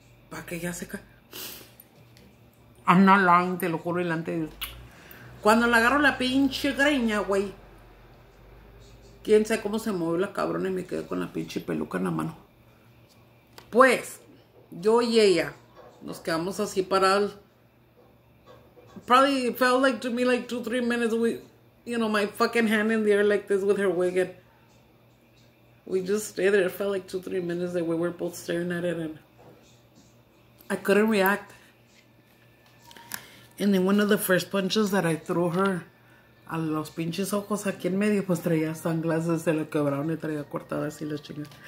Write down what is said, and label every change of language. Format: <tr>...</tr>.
<es>Pa' que ya se cae.</es> <en>I'm not lying,</en> <es>te lo juro, delante de... Cuando le agarro la pinche greña, güey. Quién sabe cómo se movió la cabrona y me quedé con la pinche peluca en la mano. Pues, Yo y ella. Nos quedamos así parados.</es> <en>Probably it felt like to me like 2-3 minutes. We, you know, my fucking hand in the air like this with her wig. And we just stayed there. It felt like 2-3 minutes that we were both staring at it. And I couldn't react. And then one of the first punches that I threw her.</en> <es>A los pinches ojos aquí en medio, pues traía sunglasses, se lo quebraron y traía cortadas y las chingas.</es>